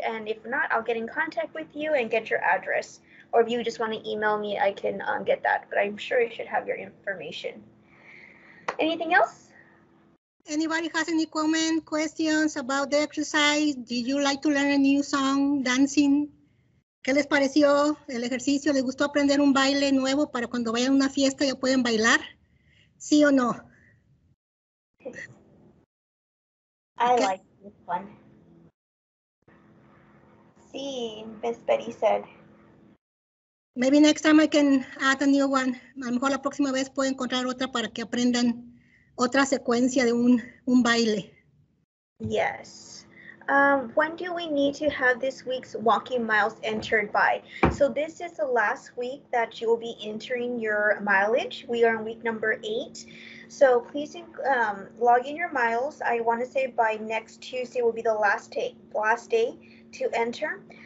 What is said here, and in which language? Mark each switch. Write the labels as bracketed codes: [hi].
[en] And if not, I'll get in contact with you and get your address. Or if you just want to email me, I can get that. But I'm sure you should have your information. Anything else? Anybody has any comments, questions about the exercise? Did you like to learn a new song, dancing? [es] ¿Qué les pareció el ejercicio? ¿Les gustó aprender un baile nuevo para cuando vayan a una fiesta ya pueden bailar? ¿Sí o no? [en] I like this one. Sí, Miss Betty said. Maybe next time I can add a new one. [es] A lo mejor la próxima vez puedo encontrar otra para que aprendan otra secuencia de un baile. [en] Yes. When do we need to have this week's walking miles entered by? So this is the last week that you will be entering your mileage. We are in week number 8. So please log in your miles. I want to say by next Tuesday will be the last day to enter.